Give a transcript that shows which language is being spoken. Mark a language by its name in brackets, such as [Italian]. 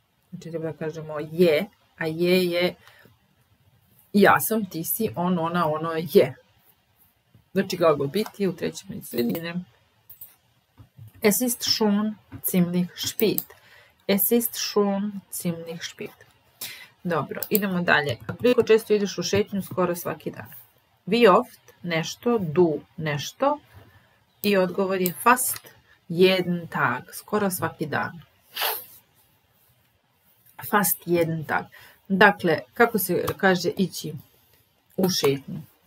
[Serbian] Znači treba da kažemo je, a je je ja sam, ti si, on, ona, ono je. Znači glagol biti u trećem licu jednine. [German] Es ist schon ziemlich spät. Es ist schon ziemlich spät. [Serbian] Dobro, idemo dalje. Koliko često ideš u šetnju? Skoro svaki dan. [German] Wie oft? [Serbian] Nešto. [German] Du? [Serbian] Nešto. I odgovor je [German] fast. Jeden Tag, [Serbian] skoro svaki dan. [German] Fast jeden Tag. [Serbian] Dakle, kako se kaže ići u šetnju?